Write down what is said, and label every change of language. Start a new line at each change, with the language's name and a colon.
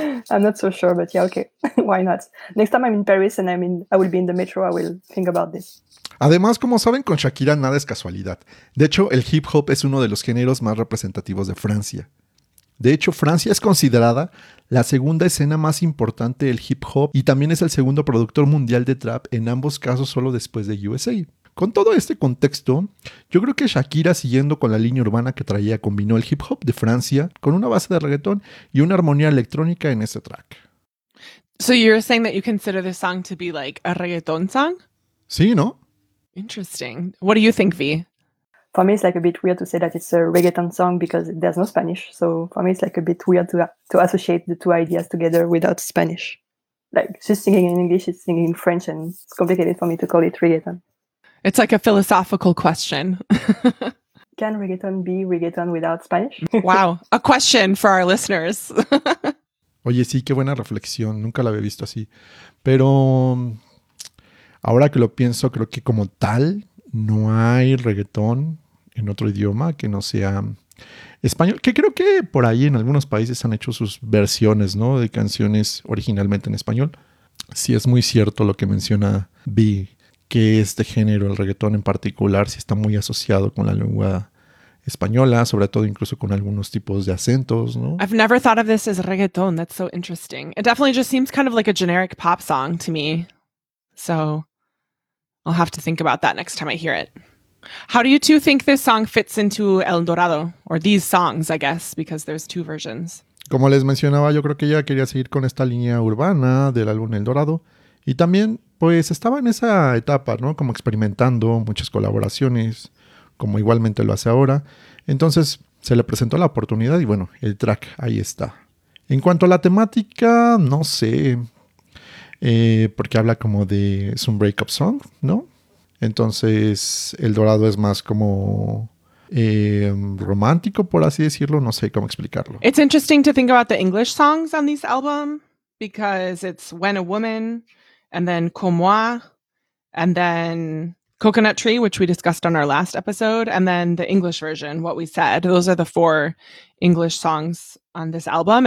English: I'm not so sure, but yeah, okay, why not? Next time I'm in Paris and I will be in the metro, I will think about this.
Spanish: Además, como saben, con Shakira nada es casualidad. De hecho, el hip hop es uno de los géneros más representativos de Francia. De hecho, Francia es considerada la segunda escena más importante del hip hop y también es el segundo productor mundial de trap, en ambos casos solo después de USA. Con todo este contexto, yo creo que Shakira, siguiendo con la línea urbana que traía, combinó el hip hop de Francia con una base de reggaetón y una armonía electrónica en este track.
English: So you're saying that you consider this song to be like a reggaeton song?
Spanish: Sí, ¿no?
English: Interesting. What do you think, V? For me, it's like a bit weird to say that it's a reggaeton song because there's no Spanish. So for me, it's like a bit weird to associate the two ideas together without Spanish. Like, she's singing in English, she's singing in French, and it's complicated for me to call it reggaeton. It's like a philosophical question. Can reggaeton be reggaeton without Spanish? Wow, a question for our listeners.
Spanish: Oye, sí, qué buena reflexión. Nunca la había visto así. Pero ahora que lo pienso, creo que como tal, no hay reggaetón en otro idioma que no sea español. Que creo que por ahí en algunos países han hecho sus versiones, ¿no?, de canciones originalmente en español. Sí, es muy cierto lo que menciona B, que este género, el reggaetón en particular, sí está muy asociado con la lengua española, sobre todo incluso con algunos tipos de acentos, ¿no?
English: I've never thought of this as reggaeton. That's so interesting. It definitely just seems kind of like a generic pop song to me. So I'll have to think about that next time I hear it. How do you two think this song fits into El Dorado? Or these songs, I guess, because there's two versions.
Spanish: Como les mencionaba, yo creo que ella quería seguir con esta línea urbana del álbum El Dorado. Y también, pues, estaba en esa etapa, ¿no? Como experimentando muchas colaboraciones, como igualmente lo hace ahora. Entonces, se le presentó la oportunidad y, bueno, el track ahí está. En cuanto a la temática, no sé. Porque habla como de... Es un breakup song, ¿no? Entonces, El Dorado es más como romántico, por así decirlo. No sé cómo explicarlo.
English: It's interesting to think about the English songs on this album because it's When a Woman, and then Comoi, and then Coconut Tree, which we discussed on our last episode, and then the English version, What We Said. Those are the four English songs on this album.